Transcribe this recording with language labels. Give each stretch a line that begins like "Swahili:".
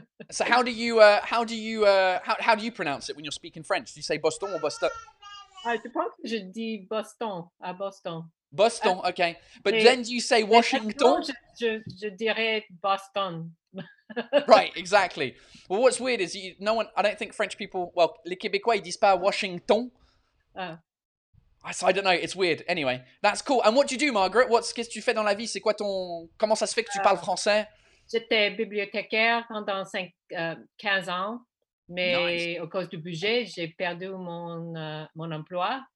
English: So how do you pronounce it when you're speaking French? Do you say Boston or Boston?
French: Je pense que je dis Boston à Boston.
English: Boston, okay. But then do you say Washington?
French: Je dirais Boston.
English: Right, exactly. Well, what's weird is I don't think French people, well,
French: les Québécois disent pas Washington.
English: So I don't know, it's weird. Anyway, that's cool. And what do you do, Margaret?
French: Qu'est-ce que tu fais dans la vie? C'est quoi ton... Comment ça se fait que tu parles français? J'étais bibliothécaire pendant 15 ans, mais nice. À cause du budget, j'ai perdu mon emploi.